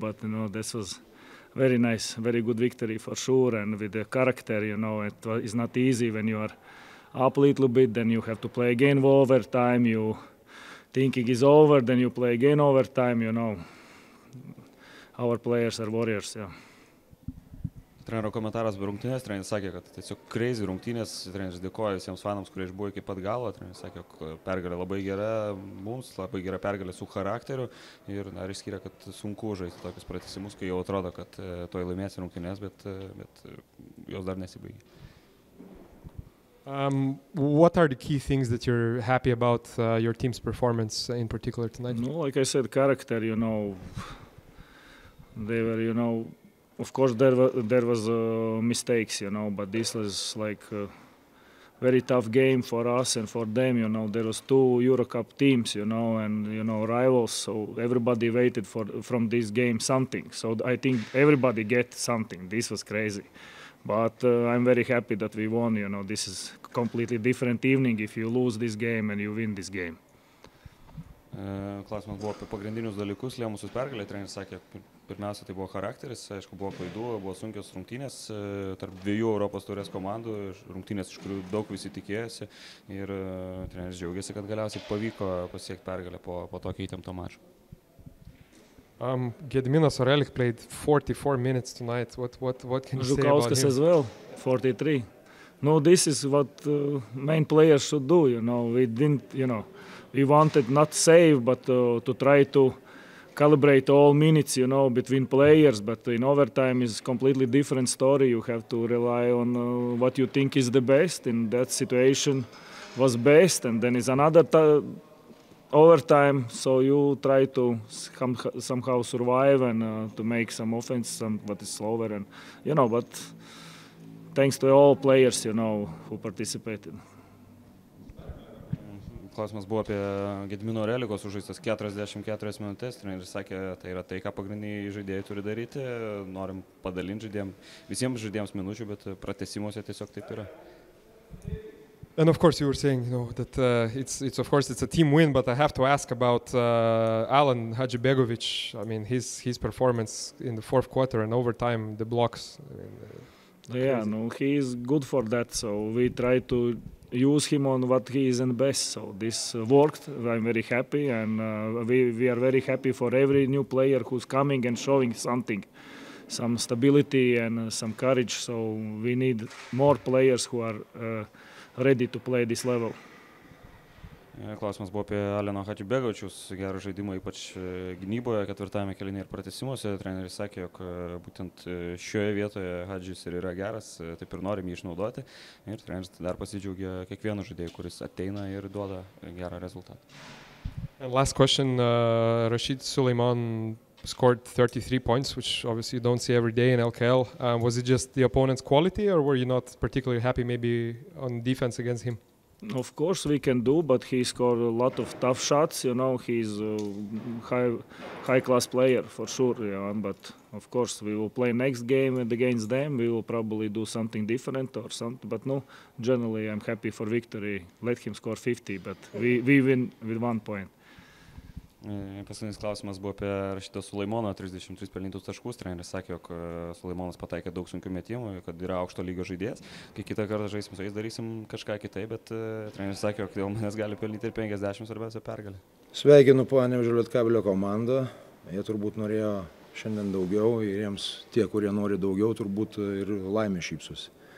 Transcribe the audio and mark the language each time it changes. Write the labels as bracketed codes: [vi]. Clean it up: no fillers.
[en] But, you know, this was very nice, very good victory for sure. And with the character, you know, it is not easy when you are up a little bit, then you have to play again for overtime. You thinking is over, then you play again overtime, you know. Our players are warriors, yeah. [lt] Trenero komentaras be rungtynės, treneris sakė, kad tiesiog crazy rungtynės, treneris dėkoja visiems fanams, kurie išbuvo iki pat galo, treneris sakė, jog pergalė labai gera mums, labai gera pergalė su charakteriu ir dar išskyrė, kad sunku žaisti tokius pratesimus, kai jau atrodo, kad toj laimės rungtynės, bet jos dar nesibaigė. [en] What are the key things that you're happy about your team's performance in particular tonight? No, like I said, character, you know, they were, you know, of course there was mistakes, you know, but this was like a very tough game for us and for them, you know. There was two Eurocup teams, you know, and, you know, rivals, so everybody waited from this game something. So I think everybody get something. This was crazy. But I'm very happy that we won, you know. This is completely different evening if you lose this game and you win this game. [lt] Klausimas buvo apie pagrindinius dalykus, lėmusius pergalę. Treneris sakė, pirmiausia, tai buvo charakteris, aišku, buvo klaidų, buvo sunkios rungtynės tarp dviejų Europos taurės komandų, rungtynės, iš kurių daug visi tikėjosi, ir treneris džiaugiasi, kad galiausiai pavyko pasiekti pergalę po tokio įtempto mačio. [en] Gediminas Orelik played 44 minutes tonight. What can you [lt] Žukauskas [en] say about him? As well, 43. No, this is what main players should do, you know. We didn't, you know, we wanted not save, but to try to calibrate all minutes, you know, between players, but in overtime is completely different story. You have to rely on what you think is the best, and that situation was best, and then is another overtime, so you try to somehow survive and to make some offense, but it's slower, and, you know, but thanks to all players, you know, who participated. [lt] Klausimas buvo apie Gedimino Relikos užaistas 44 minutės. Treneris sakė, tai yra tai, ką pagrindiniai žaidėjai turi daryti. Norim padalinti žaidėjams, visiems žaidėjams minučių, bet pratesimuose tiesiog taip yra. [en] And of course you were saying, you know, that it's a team win, but I have to ask about Alan Hadžibegović. I mean, his performance in the fourth quarter and overtime, the blocks. I mean, yeah, no, he is good for that, so we try to use him on what he is in best, so this worked. I'm very happy, and we are very happy for every new player who's coming and showing something, some stability and some courage, so we need more players who are ready to play this level. [lt] Klausimas buvo apie Aleno Hadžibegovičiaus gerą žaidimą, ypač gynyboje, ketvirtame kelinėje ir pratesimuose. Treneris sakė, jog būtent šioje vietoje Hadžis ir yra geras, taip ir norim jį išnaudoti. Ir treneris dar pasidžiaugia kiekvienu žaidėju, kuris ateina ir duoda gerą rezultatą. [en] And last question, Rashid Suleiman scored 33 points, which obviously you don't see every day in LKL. Was it just the opponent's quality, or were you not particularly happy maybe on defense against him? Of course we can do, but he scored a lot of tough shots, you know. He's a high-class player for sure, yeah. But of course we will play next game and against them we will probably do something different or something, but no, generally I'm happy for victory. Let him score 50, but we win with 1 point. [lt] Paskutinis klausimas buvo apie Rašytą Suleimoną, 33 pelnytus taškus. Treneris sakė, jog Suleimonas pataikė daug sunkių metimų, kad yra aukšto lygio žaidėjas. Kai kitą kartą žaisim su jais, darysim kažką kitai, bet treneris sakė, jog dėl manęs gali pelnyti ir 50 svarbiausią pergalį. Sveikinu Panevėžio Lietkabelio komandą. Jie turbūt norėjo šiandien daugiau ir jiems tie, kurie nori daugiau, turbūt ir laimė šypsosi.